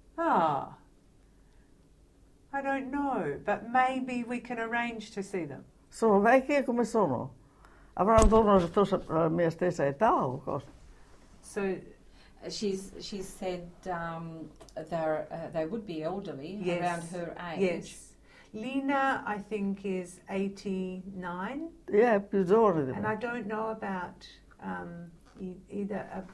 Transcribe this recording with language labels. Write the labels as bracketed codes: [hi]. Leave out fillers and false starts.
[en] Ah, I don't know, but maybe we can arrange to see them. [it] Sono vecchie come sono? Avranno intorno alla mia stessa età o cosa? [en] So she said they would be elderly around Yes, her age. yes. Lina, I think, is 89, [it] Yeah, più giovane di [en] and [it] me. [en] I don't know about either.